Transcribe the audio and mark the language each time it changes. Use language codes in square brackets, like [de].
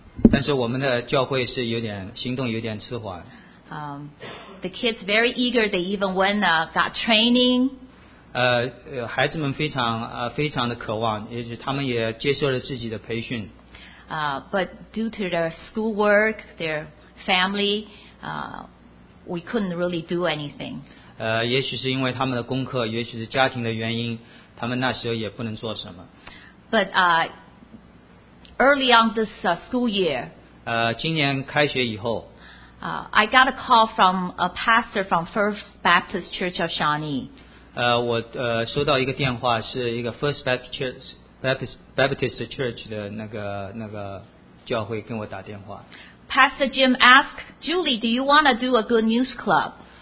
[zh] 但是我们的教会是有点行动有点迟缓。 [en] The kids very eager. They even went got training. [zh] 孩子们非常的渴望，也许他们也接受了自己的培训。 [en] But due to their schoolwork, their family, we couldn't really do anything. [zh] 也许是因为他们的功课，也许是家庭的原因，他们那时候也不能做什么。 [en] But early on this school year. [zh] 今年开学以后。 [en] I got a call from a pastor from First Baptist Church of Shawnee. [zh] 收到一个电话，是一个 First Baptist Church 的那个教会跟我打电话。 [en] Pastor Jim asked Julie, "Do you want to do a Good News Club?"